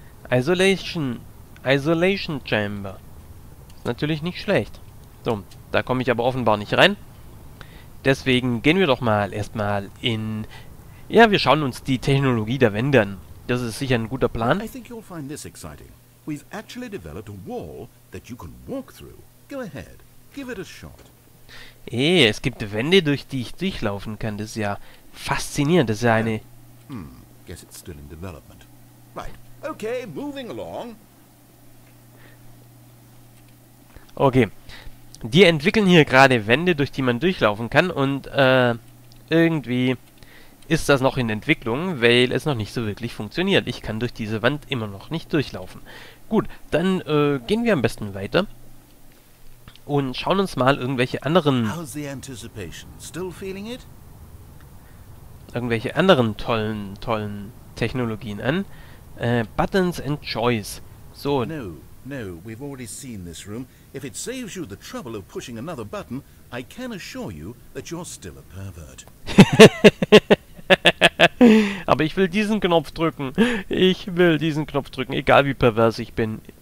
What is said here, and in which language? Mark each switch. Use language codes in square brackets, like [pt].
[de] Isolation Chamber. Ist natürlich nicht schlecht. So, da komme ich aber offenbar nicht rein. Deswegen gehen wir doch mal erstmal in... Ja, wir schauen uns die Technologie der Wände an. Das ist sicher ein guter Plan. Ich denke, du wirst das exciting. [en] We've actually developed a wall that you can walk through. Go ahead, give it a shot. [de] Hey, es gibt Wände, durch die ich durchlaufen kann. Das ist ja faszinierend. Das ist ja eine... [en] Guess it's still in development. Right, okay, moving along. Okay. [de] Die entwickeln hier gerade Wände, durch die man durchlaufen kann und, irgendwie ist das noch in Entwicklung, weil es noch nicht so wirklich funktioniert. Ich kann durch diese Wand immer noch nicht durchlaufen. Gut, dann gehen wir am besten weiter und schauen uns mal irgendwelche anderen... [en] How's the anticipation? Still feeling it? [de] Irgendwelche anderen tollen Technologien an. [en] Buttons and Choice. So. No, we've already seen this room. If it saves you the trouble of pushing another button, I can assure you that you're still a pervert. [de] Aber ich will diesen Knopf drücken. Ich will diesen Knopf drücken, egal wie pervers ich bin.